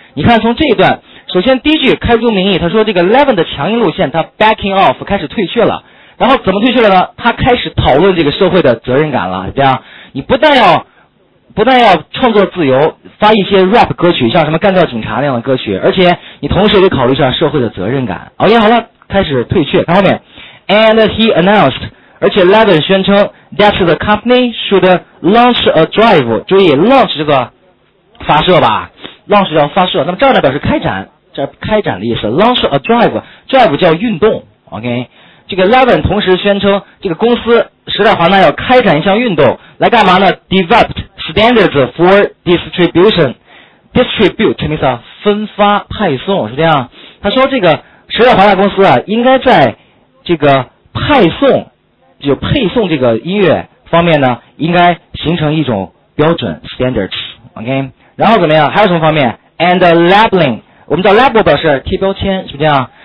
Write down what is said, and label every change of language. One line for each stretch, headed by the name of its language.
Chinese: 你看从这一段，首先第一句开宗明义，他说这个 Levin 的强硬路线他 backing off 开始退却了，然后怎么退却了呢？他开始讨论这个社会的责任感了，这样你不但要创作自由，发一些 rap 歌曲，像什么干掉警察那样的歌曲，而且你同时得考虑一下社会的责任感。 OK， 好了，开始退却。看后面 ，
English: and he announced，
Chinese: 而且 Levin 宣称
English: that the company should launch a drive。
Chinese: 注意 ，launch 这个发射吧， launch 叫发射，那么这儿呢表示开展，这开展的意思，
English: launch a drive，
Chinese: drive 叫运动， OK。这个 Levin 同时宣称这个公司时代华纳要开展一项运动来干嘛呢？
English: developed standards for distribution， distribute
Chinese: 什么意思啊？分发派送，是这样。他说这个时代华纳公司啊，应该在这个派送，就配送这个音乐方面呢，应该形成一种标准 standards， OK。然后怎么样，还有什么方面？
English: and labeling，
Chinese: 我们叫 label 表示贴标签，是不是这样？